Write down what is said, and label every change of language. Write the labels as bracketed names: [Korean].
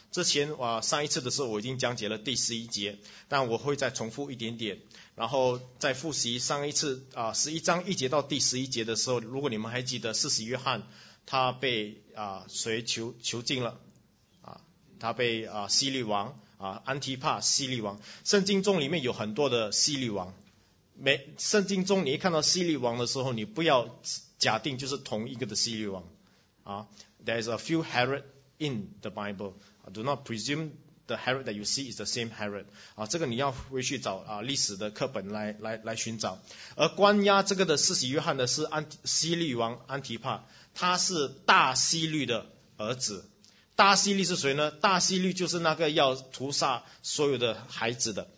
[Chinese] 之前啊，上一次的时候我已经讲解了第十一节，但我会再重复一点点，然后再复习上一次啊，十一章一节到第十一节的时候，如果你们还记得，施洗约翰他被啊谁囚禁了啊，他被啊希律王啊，安提帕希律王。圣经中里面有很多的希律王，圣经中你一看到希律王的时候，你不要假定就是同一个的希律王啊。 [English] There is a few Herod in the Bible. Do not presume the Herod that you see is the same Herod. [Chinese] 啊，这个你要回去找啊历史的课本来寻找。而关押这个的施洗约翰的是希律王安提帕，他是大希律的儿子。大希律是谁呢？大希律就是那个要屠杀所有的孩子的。